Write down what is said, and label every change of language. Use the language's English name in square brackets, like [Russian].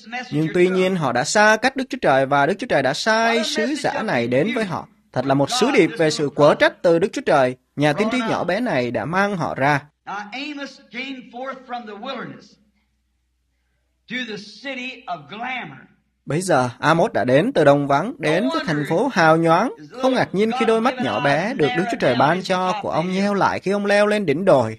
[Vietnamese] Nhưng tuy nhiên, họ đã xa cách Đức Chúa Trời và Đức Chúa Trời đã sai sứ giả này đến với họ. Thật là một sứ điệp về sự quở trách từ Đức Chúa Trời. Nhà tiên tri nhỏ bé này đã mang họ ra. [English] Amos came forth from the wilderness to the city of glamour. [Vietnamese] Bây giờ, Amos đã đến từ đồng vắng, đến với thành phố hào nhoáng. Không ngạc nhiên khi đôi mắt nhỏ bé được Đức Chúa Trời ban cho của ông nheo lại khi ông leo lên đỉnh đồi.